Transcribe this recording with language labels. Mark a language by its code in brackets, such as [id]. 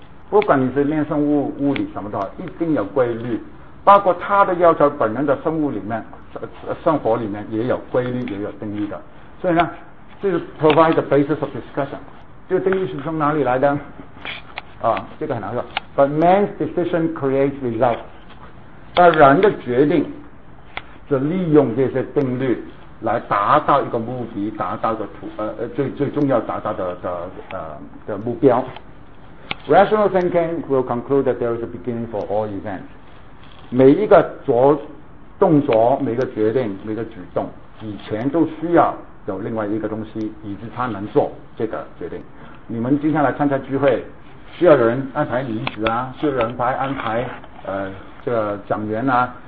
[zh] 不管你是练生物物理什么的一定有规律，包括他的要求本人的生物里面生活里面也有规律也有定律的，所以呢这是 [en] provide the basis of discussion， [zh] 这个定律是从哪里来的啊，这个很难说， [en] but man's decision creates results， [zh] 但人的决定是利用这些定律来达到一个目的，达到的最重要达到的目标。 [en] Rational thinking will conclude that there is a beginning for all events。 [zh] 每一个动作、每个决定、每个举动，以前都需要有另外一个东西，以致他能做这个决定。你们接下来参加聚会，需要有人安排礼子啊，需要有人安排这个讲员啊。